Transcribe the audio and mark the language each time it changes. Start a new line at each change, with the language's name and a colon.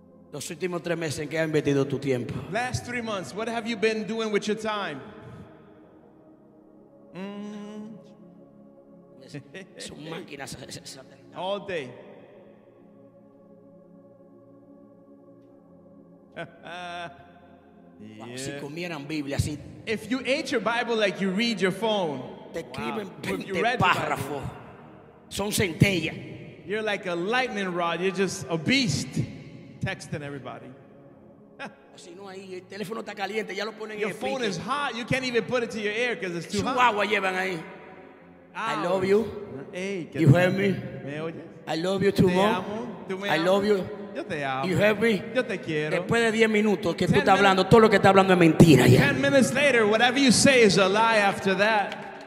Spanish: Los últimos tres meses, ¿en qué has invertido tu tiempo?
English: Last 3 months, what have you been doing with your time?
Spanish: Son máquinas.
English: All day.
Spanish: Yeah. Si comieran Biblia, si.
English: If you ate your Bible like you read your phone.
Spanish: Te escriben 20 párrafos. Son centella.
English: You're like a lightning rod. You're just a beast texting everybody.
Spanish: Si no ahí el teléfono está caliente, ya lo ponen en el.
English: Your phone is hot. You can't even put it to your ear because it's too hot.
Spanish: Su agua llevan ahí.
English: I love you. Hey, you hear me?
Spanish: Me oyes?
English: I love you too much. I love you.
Spanish: Yo te amo.
English: You hear me?
Spanish: Yo te quiero. Después de 10 minutos que tú estás hablando, todo lo que estás hablando es mentira ya.
English: 10 minutes later, whatever you say is a lie after that.